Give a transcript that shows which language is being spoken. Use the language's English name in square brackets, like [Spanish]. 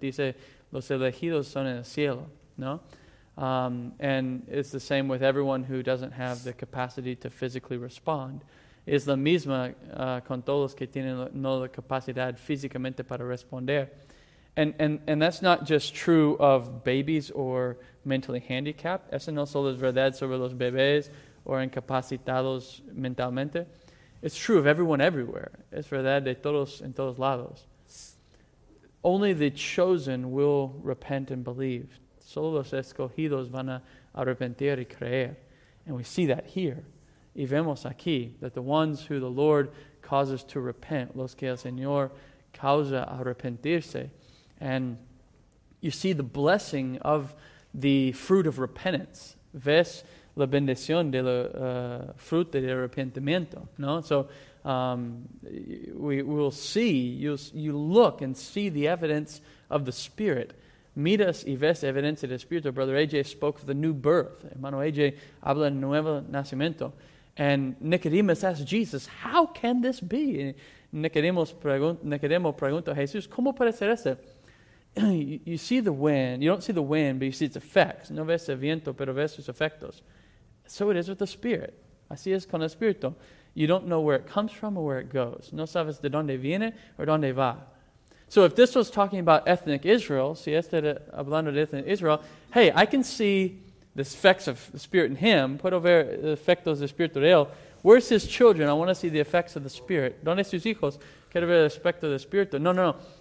[Spanish] Dice, los elegidos son en el cielo, ¿no? [English] And it's the same with everyone who doesn't have the capacity to physically respond. [Spanish] Es la misma con todos que tienen no la capacidad físicamente para responder. [English] And that's not just true of babies or mentally handicapped. [Spanish] Eso no solo es verdad sobre los bebés o incapacitados mentalmente. [English] It's true of everyone everywhere. [Spanish] Es verdad de todos en todos lados. [English] Only the chosen will repent and believe. [Spanish] Solo los escogidos van a arrepentir y creer. [English] And we see that here. [Spanish] Y vemos aquí [English] that the ones who the Lord causes to repent, [Spanish] los que el Señor causa arrepentirse. [English] And you see the blessing of the fruit of repentance. [Spanish] Ves la bendición de la fruta de arrepentimiento, ¿no? [English] So you look and see the evidence of the Spirit. [Spanish] Miras y ves evidencia del Espíritu. [English] Brother AJ spoke of the new birth. [Spanish] Hermano AJ habla de nuevo nacimiento. [English] And Nicodemus asked Jesus, how can this be? [Spanish] Nicodemo preguntó a Jesús, ¿cómo puede ser eso? [English] You see the wind. You don't see the wind, but you see its effects. [Spanish] No ves el viento, pero ves sus efectos. [English] So it is with the Spirit. [Spanish] Así es con el Espíritu. [English] You don't know where it comes from or where it goes. [Spanish] No sabes de dónde viene o dónde va. [English] So if this was talking about ethnic Israel, [Spanish] si este era hablando de [English] ethnic Israel, hey, I can see the effects of the Spirit in him. [Spanish] Puedo ver efectos del Espíritu de él. [English] Where's his children? I want to see the effects of the Spirit. [Spanish] ¿Dónde sus hijos? Quiero ver el efecto del Espíritu. No, no, no.